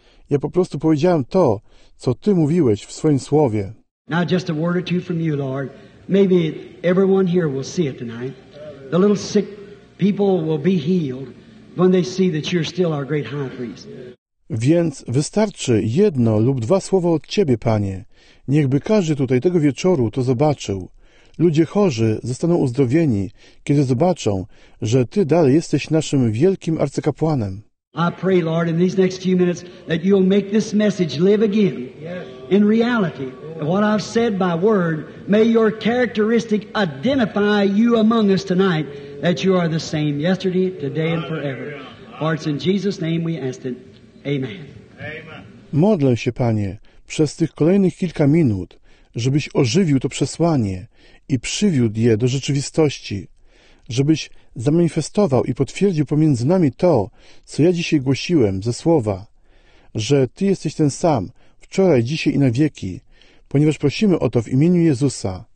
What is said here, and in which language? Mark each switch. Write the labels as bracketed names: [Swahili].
[Polish] Ja po prostu powiedziałem to, co Ty mówiłeś w swoim słowie. [English] Now just a word or two from you, Lord. Maybe everyone here will see it tonight. The little sick People will be healed when they see that you're still our great high priest. [Polish] Więc wystarczy jedno lub dwa słowa od Ciebie, Panie. Niechby każdy tutaj tego wieczoru to zobaczył. Ludzie chorzy zostaną uzdrowieni, kiedy zobaczą, że Ty dalej jesteś naszym wielkim arcykapłanem. [English] I pray, Lord, in these next few minutes that you'll make this message live again in reality. What I've said by word, may your characteristic identify you among us tonight, that you are the same yesterday, today and forever. For it's in Jesus' name we ask it. Amen. [Polish] Modlę się, Panie, przez tych kolejnych kilka minut, żebyś ożywił to przesłanie i przywiódł je do rzeczywistości, żebyś zamanifestował i potwierdził pomiędzy nami to, co ja dzisiaj głosiłem ze słowa, że Ty jesteś ten sam, wczoraj, dzisiaj i na wieki, ponieważ prosimy o to w imieniu Jezusa.